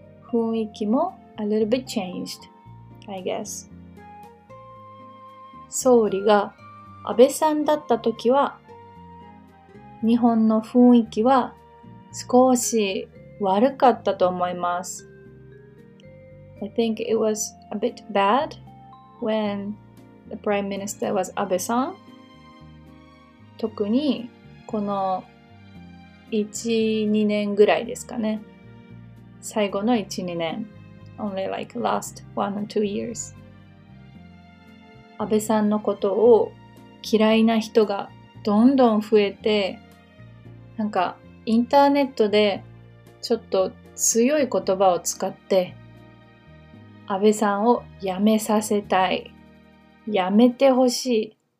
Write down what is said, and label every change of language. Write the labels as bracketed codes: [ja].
[ja] 雰囲気も [en] a little bit changed, I guess。 [ja] 総理が安倍さんだった時は日本の雰囲気は少し悪かったと思います。 [en] I think it was a bit bad when the Prime Minister was Abe-san. [ja] 特にこの1、2年ぐらいですかね。最後の1、2年。 [en] Only like last one or two years. [ja] 安倍さんのことを嫌いな人がどんどん増えて、なんかインターネットでちょっと強い言葉を使って安倍さんを辞めさせたい、辞めてほしい、